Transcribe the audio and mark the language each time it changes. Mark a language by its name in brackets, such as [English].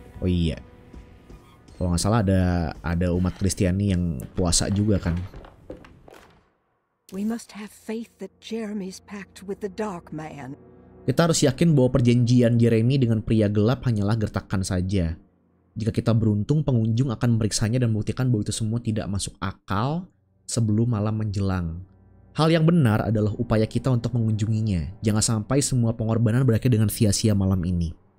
[Indonesian] Oh iya, kalau nggak salah ada umat Kristiani yang puasa juga kan. [English] We must have faith that Jeremy's pact with the dark man. [Indonesian] Kita harus yakin bahwa perjanjian Jeremy dengan pria gelap hanyalah gertakan saja. Jika kita beruntung, pengunjung akan memeriksanya dan membuktikan bahwa itu semua tidak masuk akal sebelum malam menjelang. Hal yang benar adalah upaya kita untuk mengunjunginya. Jangan sampai semua pengorbanan berakhir dengan sia-sia malam ini.